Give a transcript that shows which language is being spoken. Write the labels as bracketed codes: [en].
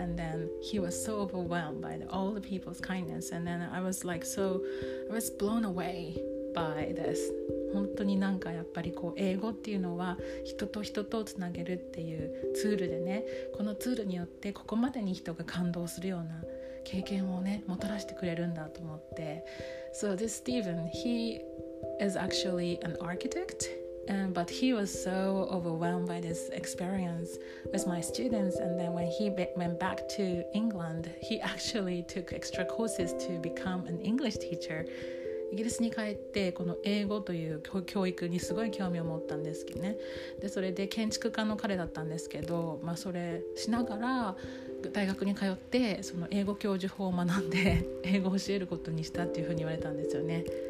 [en] And then he was so overwhelmed by all the people's kindness, and then I was like so, I was blown away by this. [ja] 本当になんかやっぱりこう英語っていうのは人と人とをつなげるっていうツールでね、このツールによってここまでに人が感動するような経験をね、もたらしてくれるんだと思って。 [en] So this Stephen, he is actually an architect, and but he was so overwhelmed by this experience with my students. And then when he went back to England, he actually took extra courses to become an English teacher. [ja] イギリスに帰ってこの英語という教育にすごい興味を持ったんですけどね。でそれで建築家の彼だったんですけど、まあそれしながら大学に通って、その英語教授法を学んで英語を教えることにしたっていうふうに言われたんですよね。